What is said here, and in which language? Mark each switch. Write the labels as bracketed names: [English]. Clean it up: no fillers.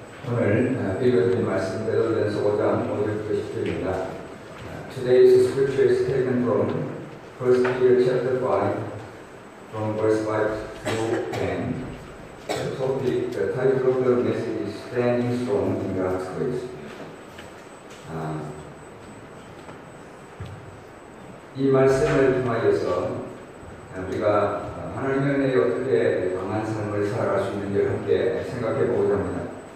[Korean] 오늘 읽어드린 말씀 베드로전서 5장 5절부터 10절입니다. [English] Today's scripture is taken from 1 Peter chapter 5 from verse 5 through 10. The topic, the title of the message is Standing Strong in God's Grace. [Korean] 이 말씀을 통하여서 우리가 하나님의 은혜에 어떻게 강한 삶을 살아갈 수 있는지 함께 생각해 보고자 합니다.